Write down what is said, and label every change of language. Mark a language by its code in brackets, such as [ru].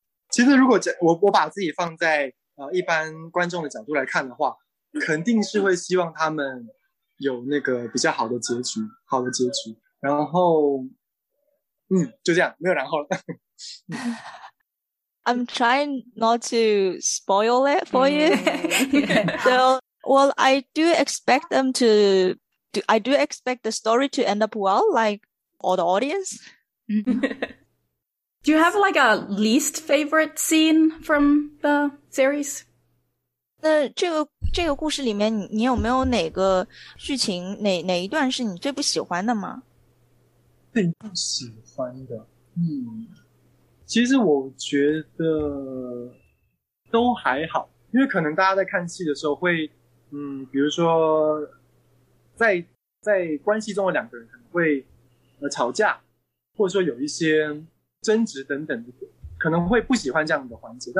[zh] 其实如果我把自己放在一般观众的角度来看的话，肯定是会希望他们有那个比较好的结局，好的结局。然后就这样，没有然后了。 [en] I'm trying not to spoil it for you. So, well, I do expect the story to end up well, like all the audience. Do you have like a least favorite scene from the series? [zh] 那这个故事里面你有没有哪个剧情哪一段是你最不喜欢的吗？最不喜欢的，其实我觉得都还好，因为可能大家在看戏的时候会比如说在关系中的两个人可能会吵架，或者说有一些争执等等的，可能会不喜欢这样的环节。